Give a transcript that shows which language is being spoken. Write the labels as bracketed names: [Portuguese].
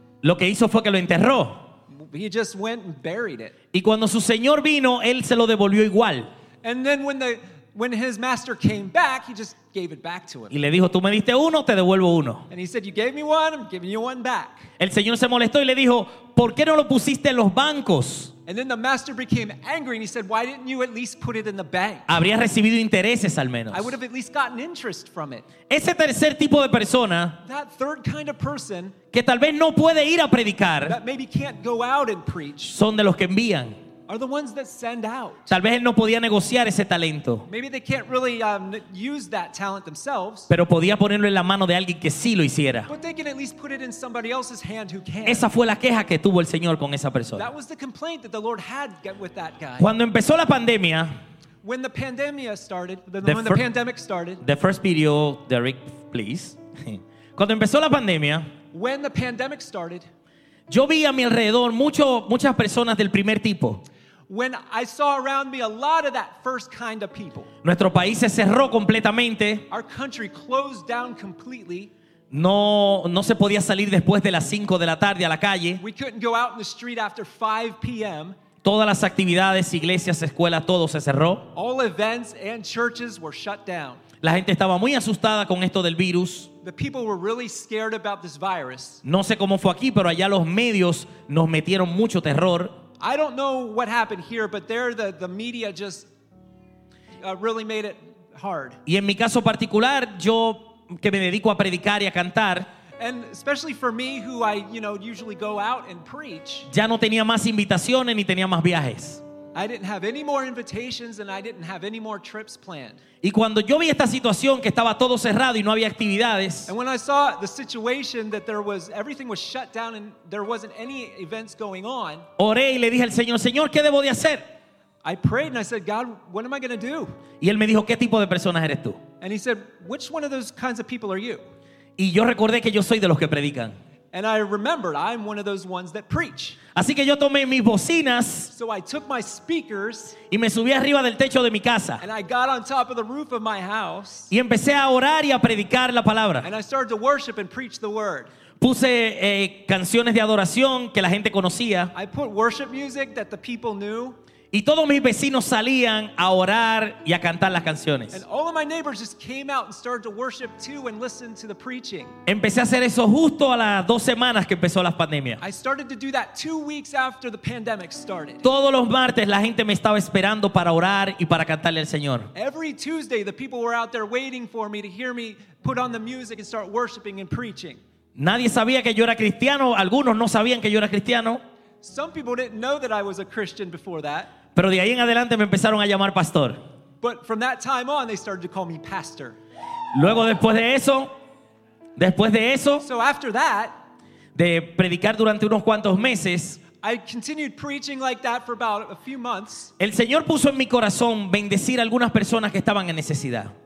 [Spanish] Lo que hizo fue que lo enterró. [English] He just went and buried it. [Spanish] Y cuando su señor vino, él se lo devolvió igual. [English] And then when his master came back, he just gave it back to him. [Spanish] Y le dijo, tú me diste uno, te devuelvo uno. [English] And he said, you gave me one, I'm giving you one back. [Spanish] El señor se molestó y le dijo, ¿por qué no lo pusiste en los bancos? [English] And then the master became angry and he said, why didn't you at least put it in the bank? [Spanish] Habría recibido intereses al menos. [English] I would have at least gotten interest from it. [Spanish] Ese tercer tipo de persona, [English] that third kind of person, [Spanish] que tal vez no puede ir a predicar, [English] that maybe can't go out and preach, [Spanish] son de los que envían. [English] Are the ones that send out. [Spanish] Tal vez él no podía negociar ese talento. [English] Maybe they can't really use that talent themselves. [Spanish] Pero podía ponerlo en la mano de alguien que sí lo hiciera. [English] But they can at least put it in somebody else's hand who can. [Spanish] Esa fue la queja que tuvo el Señor con esa persona. [English] That was the complaint that the Lord had with that guy. [Spanish] Cuando empezó la pandemia. [English] When the pandemia started. The pandemic started. The first video, Derek, please. [Spanish] Cuando empezó la pandemia. [English] When the pandemic started. [Spanish] Yo vi a mi alrededor muchas personas del primer tipo. [English] When I saw around me a lot of that first kind of people. [Spanish] Nuestro país se cerró completamente. [English] Our country closed down completely. [Spanish] No se podía salir después de las 5 de la tarde a la calle. [English] We couldn't go out in the street after 5 p.m. [Spanish] Todas las actividades, iglesias, escuelas, todo se cerró. [English] All events and churches were shut down. [Spanish] La gente estaba muy asustada con esto del virus. [English] The people were really scared about this virus. [Spanish] No sé cómo fue aquí, pero allá los medios nos metieron mucho terror. [English] I don't know what happened here, but there the media just really made it hard. [Spanish] Y en mi caso particular, yo que me dedico a predicar y a cantar, [English] and especially for me who I, you know, usually go out and preach. [Spanish] Ya no tenía más invitaciones ni tenía más viajes. [English] I didn't have any more invitations and I didn't have any more trips planned. [Spanish] Y cuando yo vi esta situación que estaba todo cerrado y no había actividades. [English] And when I saw the situation that there was everything was shut down and there wasn't any events going on. [Spanish] Oré y le dije al Señor, Señor, ¿qué debo de hacer? [English] I prayed and I said, God, what am I going to do? [Spanish] Y él me dijo, ¿qué tipo de personas eres tú? [English] And he said, which one of those kinds of people are you? [Spanish] Y yo recordé que yo soy de los que predican. [English] And I remembered, I'm one of those ones that preach. [Spanish] Así que yo tomé mis bocinas. [English] So I took my speakers. [Spanish] Y me subí arriba del techo de mi casa. [English] And I got on top of the roof of my house. [Spanish] Y empecé a orar y a predicar la palabra. [English] And I started to worship and preach the word. [Spanish] Puse canciones de adoración que la gente conocía. [English] I put worship music that the people knew. [Spanish] Y todos mis vecinos salían a orar y a cantar las canciones. [English] And all of my neighbors just came out and started to worship too and listen to the preaching. [Spanish] Empecé a hacer eso justo a las dos semanas que empezó la pandemia. [English] I started to do that 2 weeks after the pandemic started. [Spanish] Todos los martes la gente me estaba esperando para orar y para cantarle al Señor. [English] Every Tuesday the people were out there waiting for me to hear me put on the music and start worshiping and preaching. [Spanish] Nadie sabía que yo era cristiano, algunos no sabían que yo era cristiano. [English] Some people didn't know that I was a Christian before that. [Spanish] Pero de ahí en adelante me empezaron a llamar pastor. [English] But from that time on, they started to call me pastor. [Spanish] Luego después de eso, [English] so after that, [Spanish] de predicar durante unos cuantos meses, [English] I continued preaching like that for about a few months. [Spanish] El Señor puso en mi corazón bendecir a algunas personas que estaban en necesidad.